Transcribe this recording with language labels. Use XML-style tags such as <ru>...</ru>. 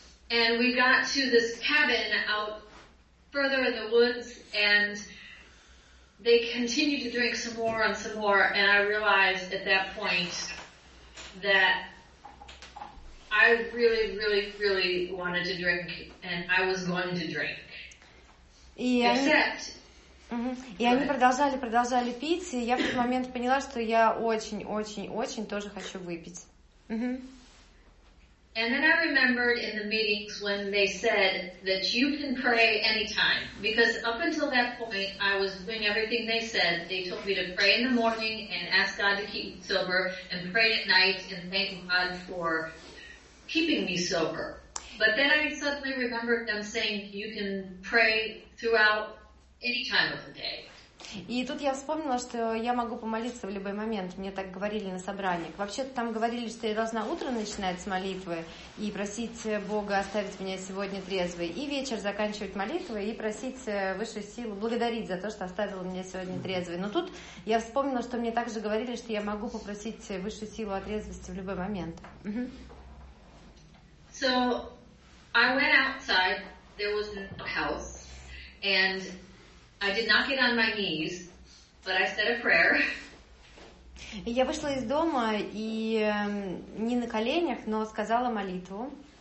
<en>And we got to this cabin out further in the woods, and they continued to drink some more, and I realized at that point that I really, really, really wanted to drink, and I was going to drink.</en> <ru>И они продолжали пить, и я в тот момент поняла, что я очень, очень, очень тоже хочу выпить.</ru> <en>And then I remembered in the meetings when they said that you can pray anytime, because up until that point I was doing everything they said. They told me to pray in the morning and ask God to keep me sober, and pray at night and thank God for keeping me sober. But then I suddenly remembered them saying you can pray throughout any time of the day.</en> <ru>И тут я вспомнила, что я могу помолиться в любой момент. Мне так говорили на собраниях. Вообще-то там говорили, что я должна утро начинать с молитвы и просить Бога оставить меня сегодня трезвой, и вечер заканчивать молитвой и просить высшую силу благодарить за то, что оставила меня сегодня трезвой. Но тут я вспомнила, что мне также говорили, что я могу попросить высшую силу о трезвости в любой момент.</ru> <en>So I went outside, there was a house, and I did not get on my knees, but I said a prayer.</en> <ru>Я вышла из дома и не на коленях, но сказала молитву.</ru>